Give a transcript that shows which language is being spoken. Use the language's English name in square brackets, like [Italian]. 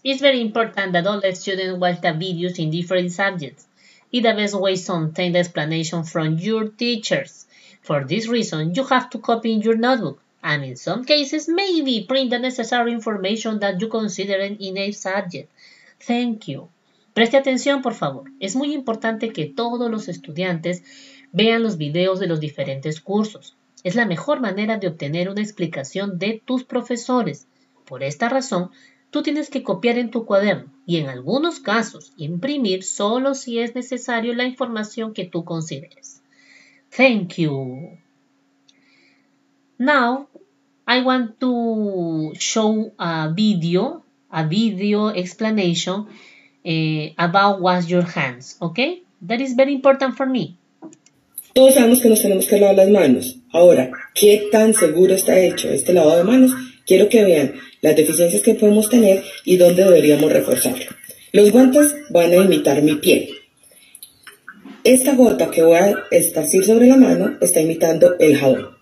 [English] It's very important that all the students watch the videos in different subjects. It's the best way to obtain the explanation from your teachers. For this reason, you have to copy in your notebook, and in some cases, maybe print the necessary information that you consider in a subject. Thank you. [Spanish] Preste atención, por favor. Es muy importante que todos los estudiantes vean los videos de los diferentes cursos. Es la mejor manera de obtener una explicación de tus profesores. Por esta razón, tú tienes que copiar en tu cuaderno y en algunos casos imprimir solo si es necesario la información que tú consideres. [English] Thank you. Now, I want to show a video explanation about wash your hands, okay? That is very important for me. [Spanish] Todos sabemos que nos tenemos que lavar las manos. Ahora, ¿qué tan seguro está hecho este lavado de manos? Quiero que vean las deficiencias que podemos tener y dónde deberíamos reforzarlo. Los guantes van a imitar mi piel. Esta gota que voy a esparcir sobre la mano está imitando el jabón.